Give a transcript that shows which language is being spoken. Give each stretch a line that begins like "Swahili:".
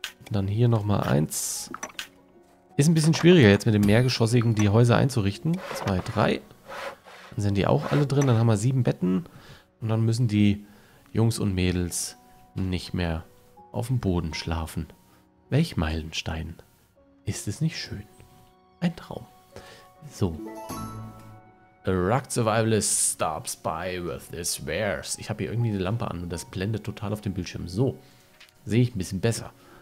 German: Dann hier nochmal eins. Ist ein bisschen schwieriger jetzt mit dem mehrgeschossigen die Häuser einzurichten. 2, 3. Dann sind die auch alle drin. Dann haben wir 7 Betten. Und dann müssen die Jungs und Mädels nicht mehr auf dem Boden schlafen. Welch Meilenstein. Ist es nicht schön? Ein Traum. So.
English: A Rock Survivalist stops by with this wares.
German: Ich habe hier irgendwie eine Lampe an und das blendet total auf dem Bildschirm. So. Sehe ich ein bisschen besser.